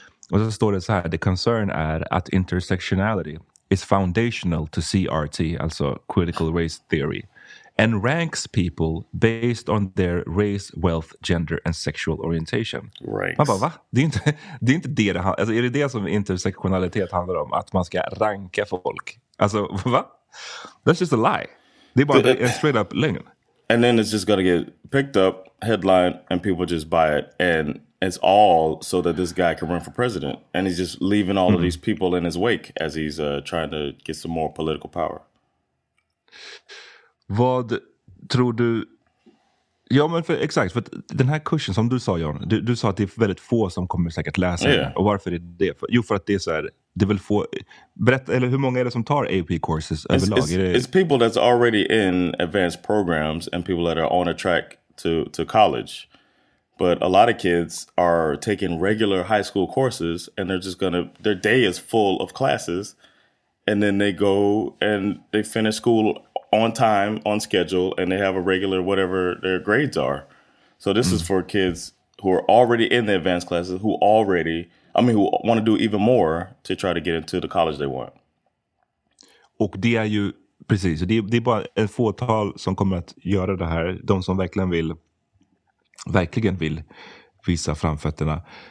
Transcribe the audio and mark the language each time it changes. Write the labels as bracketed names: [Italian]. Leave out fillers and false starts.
[Swedish] Och så står det så här, [English] the concern [Swedish] är att [English] intersectionality is foundational to CRT, [Swedish] alltså [English] critical race theory, and ranks people based on their race, wealth, gender and sexual orientation. Right. [Swedish] Man bara, va? Det är inte det det handlar om. Alltså, är det det som intersektionalitet handlar om? Att man ska ranka folk? Alltså, va? [English] That's just a lie. [Swedish] Det är bara en [English] straight up [Swedish] lögn. [English] And then it's just gonna get picked up, headline, and people just buy it. And it's all so that this guy can run for president. And he's just leaving all of these people in his wake as he's trying to get some more political power. [Swedish] Vad tror du? Ja, men för, exakt. För den här kursen, som du sa, John. Du sa att det är väldigt få som kommer säkert läsa den. Och varför är det? Jo, för att det är så här. Det vill få, berätta, eller hur många är det som tar AP-courses överlag? [English] It's people that's already in advanced programs and people that are on a track to college. But a lot of kids are taking regular high school courses and they're just gonna, their day is full of classes. And then they go and they finish school on time, on schedule, and they have a regular whatever their grades are. So this is for kids who are already in the advanced classes, who want to do even more to try to get into the college they want. [Swedish] Och det är ju, precis, det är bara ett fåtal som kommer att göra det här. De som verkligen vill visa framfötterna.